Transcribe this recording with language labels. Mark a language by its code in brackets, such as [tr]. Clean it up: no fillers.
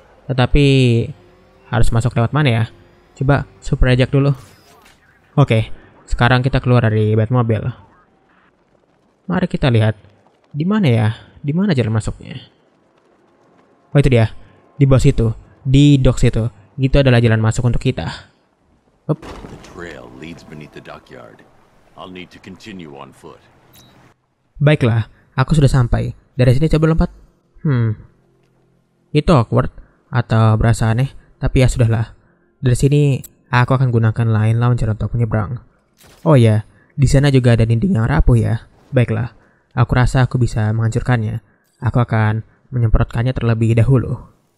[id] Tetapi harus masuk lewat mana ya? Coba super ejak dulu. Oke, sekarang kita keluar dari Batmobile. Mari kita lihat. Di mana ya? Di mana jalan masuknya? Oh itu dia. Di bawah situ. Di dock situ. Itu adalah jalan masuk untuk kita. [en] The trail leads beneath the dockyard. I'll need to continue on foot. [id] Baiklah, aku sudah sampai. Dari sini coba lompat. Itu awkward atau berasa aneh, tapi ya sudahlah. Dari sini aku akan gunakan line launcher untuk menyeberang. Oh ya, di sana juga ada dinding yang rapuh ya. Baiklah, aku rasa aku bisa menghancurkannya. Aku akan menyemprotkannya terlebih dahulu.